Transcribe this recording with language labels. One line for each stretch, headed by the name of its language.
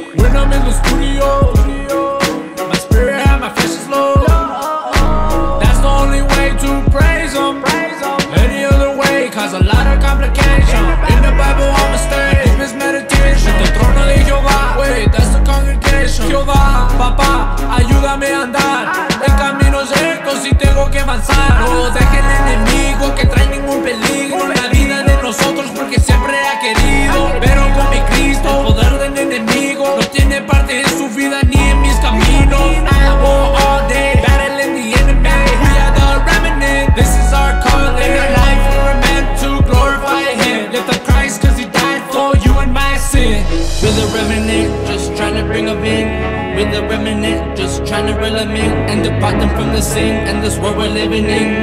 English: When I'm in the studio, my spirit and my flesh is low. That's the only way to praise him. Any other way cause a lot of complications. In the Bible I'm a stay, it's mismeditation. The throne of Jehovah, wait, that's the congregation.
Spanish: Jehovah, papa, ayúdame a andar en caminos rectos y tengo que avanzar. No deje el enemigo que trae ningún peligro en la vida de nosotros porque siempre ha querido. Pero con mi Cristo, el poder del enemigo no tiene parte en su vida ni en mis caminos.
English: I go all day, battling the enemy. We are the remnant, this is our calling. In our life we're meant to glorify him. Let the Christ, cause he died for you and my sin. We're the remnant, just trying to bring him in. We're the remnant, just trying to reel him in and depart them from the sin and this world we're living in.